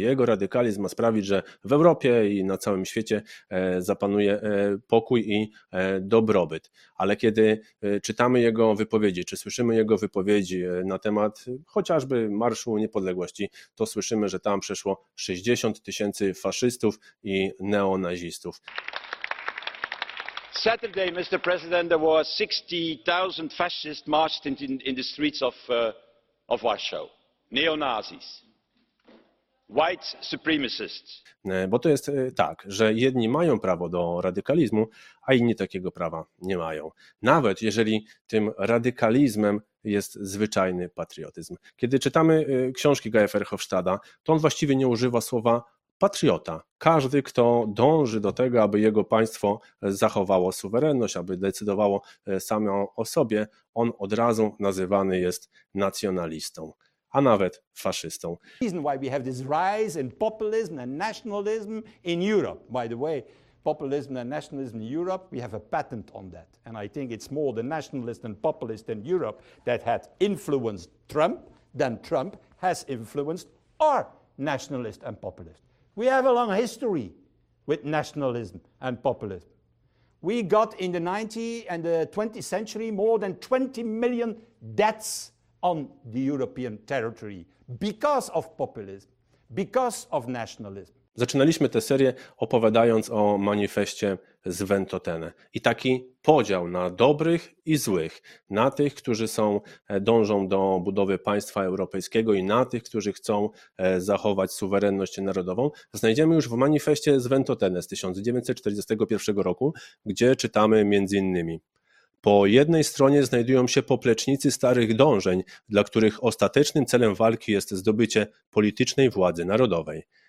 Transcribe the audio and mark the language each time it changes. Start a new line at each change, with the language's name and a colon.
Polish: Jego radykalizm ma sprawić, że w Europie i na całym świecie zapanuje pokój i dobrobyt. Ale kiedy czytamy jego wypowiedzi, czy słyszymy jego wypowiedzi na temat chociażby Marszu Niepodległości, to słyszymy, że tam przeszło 60 tysięcy faszystów i neonazistów.
English: Saturday, Mr. President, there were 60,000 fascists marched in the streets of Warsaw, neonazis, white supremacists.
Polish: Bo to jest tak, że jedni mają prawo do radykalizmu, a inni takiego prawa nie mają. Nawet jeżeli tym radykalizmem jest zwyczajny patriotyzm. Kiedy czytamy książki Guy'a Verhofstadta, to on właściwie nie używa słowa patriota. Każdy, kto dąży do tego, aby jego państwo zachowało suwerenność, aby decydowało samo o sobie, on od razu nazywany jest nacjonalistą, a nawet faszystą.
English: Reason why we have this rise in populism and nationalism in Europe. By the way, populism and nationalism in Europe, we have a patent on that. And I think it's more the nationalist and populist in Europe that had influenced Trump than Trump has influenced our nationalist and populist. We have a long history with nationalism and populism. We got in the 19th and the 20th century more than 20 million deaths on the European territory because of populism, because of nationalism.
Polish: Zaczynaliśmy tę serię opowiadając o manifestie z Ventotene i taki podział na dobrych i złych, na tych, którzy są dążą do budowy państwa europejskiego i na tych, którzy chcą zachować suwerenność narodową, znajdziemy już w manifestie z Ventotene z 1941 roku, gdzie czytamy między innymi: po jednej stronie znajdują się poplecznicy starych dążeń, dla których ostatecznym celem walki jest zdobycie politycznej władzy narodowej.